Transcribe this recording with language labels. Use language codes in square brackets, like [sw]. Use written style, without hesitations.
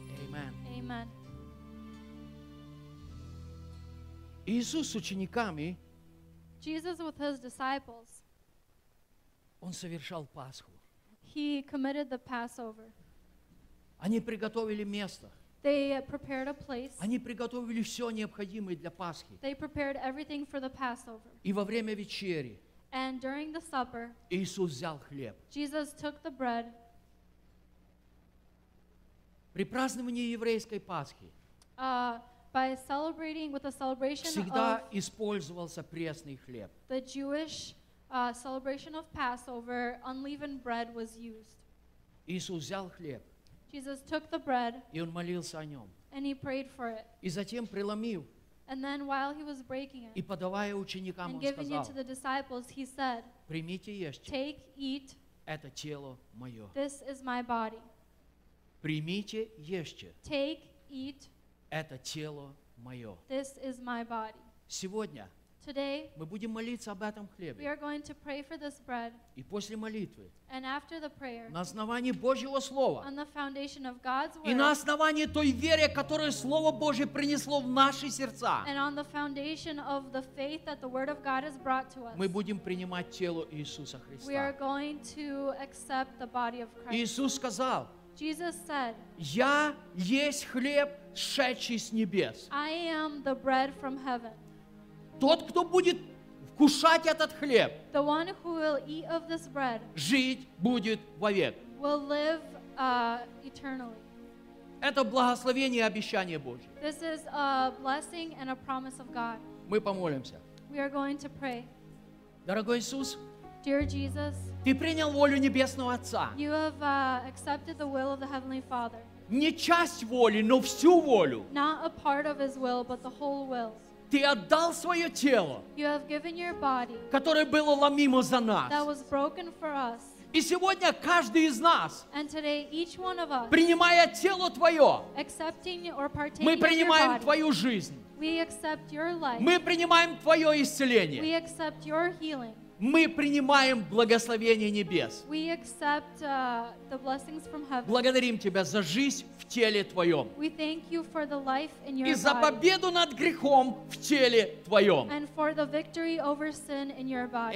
[ru] Amen. Amen. Amen. Иисус с учениками, [en] Jesus with his disciples, [ru] он совершал Пасху. [en] He committed the Passover. [ru] Они приготовили место. [en] They prepared a place. [ru] Они приготовили все необходимое для Пасхи. [en] They prepared everything for the Passover. [ru] И во время вечери, [en] and during the supper, [ru] Иисус взял хлеб. [en] Jesus took the bread. [ru] При праздновании еврейской Пасхи, [en] by celebrating with the celebration [ru] всегда [en] of [ru] использовался пресный хлеб. [en] The Jewish celebration of Passover, unleavened bread was used. [ru] Иисус взял хлеб. [en] Jesus took the bread. [ru] И он молился о нем. [en] And he prayed for it. [ru] И затем преломил. [en] And then while he was breaking it, [ru] и подавая ученикам, [en] and giving [ru] сказал, [en] it to the disciples, he said, [ru] примите, ешьте. [en] Take, eat. [ru] Это тело мое. [en] This is my body. [ru] Примите, ешьте. [en] Take, eat. [ru] Это тело мое. [en] This is my body. [ru] Сегодня [en] today, [ru] мы будем молиться об этом хлебе. [en] We are going to pray for this bread. [ru] И после молитвы, [en] and after the prayer, [ru] на основании Божьего слова, [en] on the foundation of God's word, [ru] и на основании той веры, которую Слово Божье принесло в наши сердца, [en] and on the foundation of the faith that the word of God has brought to us, [ru] мы будем принимать тело Иисуса Христа. [en] We are going to accept the body of Christ. [ru] Иисус сказал, [en] Jesus said, [ru] я есть хлеб, сшедший с небес. [en] I am the bread from heaven. [ru] Тот, кто будет вкушать этот хлеб, [en] the one who will eat of this bread, [ru] жить будет вовек. [en] Will live, eternally. [ru] Это благословение и обещание Божье. [en] This is a blessing and a promise of God. [ru] Мы помолимся. [en] We are going to pray. [ru] Дорогой Иисус, [en] dear Jesus, [ru] ты принял волю Небесного Отца. [en] You have, accepted the will of the Heavenly Father. [ru] Не часть воли, но всю волю. [en] Not a part of his will, but the whole will. [ru] Ты отдал свое тело, [en] you have given your body, [ru] которое было ломимо за нас. [en] That was broken for us. [ru] И сегодня каждый из нас, [en] and today each one of us, [ru] принимая тело твое, [en] accepting or partaking [ru] мы принимаем [en] in your [ru] твою жизнь. [en] We accept your life. [ru] Мы принимаем твое исцеление. [en] We accept your healing. [ru] Мы принимаем благословение небес. [en] We accept, the blessings from heaven. [ru] Благодарим Тебя за жизнь в теле Твоем. [en] We thank you for the life in your [ru] и за победу над грехом в теле Твоем. [en] And for the victory over sin in your body.